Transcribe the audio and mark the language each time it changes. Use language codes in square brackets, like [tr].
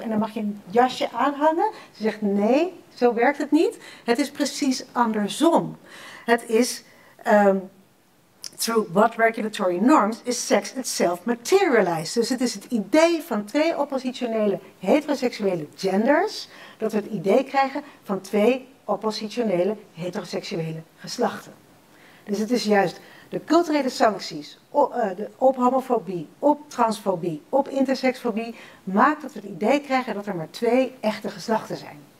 [nl] En dan mag je een jasje aanhangen. Ze zegt, nee, zo werkt het niet. Het is precies andersom. Het is... [en] through what regulatory norms is sex itself materialized. [nl] Dus het is het idee van twee oppositionele heteroseksuele genders, dat we het idee krijgen van twee oppositionele heteroseksuele geslachten. Dus het is juist de culturele sancties op homofobie, op transfobie, op intersexfobie, maakt dat we het idee krijgen dat er maar twee echte geslachten zijn.